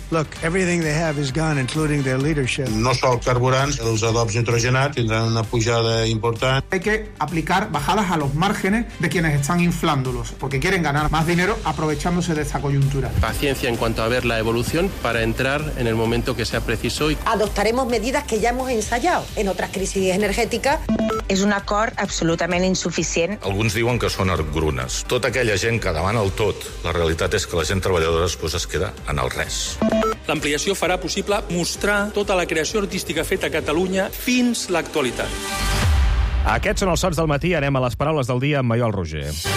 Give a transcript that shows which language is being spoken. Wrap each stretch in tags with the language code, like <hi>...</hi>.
<en>Look, everything they have is gone, including their leadership.</en> <ca>No sol carburants, els adobs nitrogenats tindran una pujada important.</ca> <es>Hay que aplicar bajadas a los márgenes de quienes están inflándolos, porque quieren ganar más dinero aprovechándose de esta coyuntura. Paciencia en cuanto a ver la evolución para entrar en el momento que sea preciso. Adoptaremos medidas que ya hemos ensayado en otras crisis energéticas.</es> <ca>És un acord absolutament insuficient. Alguns diuen que són argrunes. Tota aquella gent que demana el tot, la realitat és que la gent treballadora es queda en el res. L'ampliació farà possible mostrar tota la creació artística feta a Catalunya fins a l'actualitat. Aquests són els sons del matí. Anem a les paraules del dia amb Maiol Roger.</ca>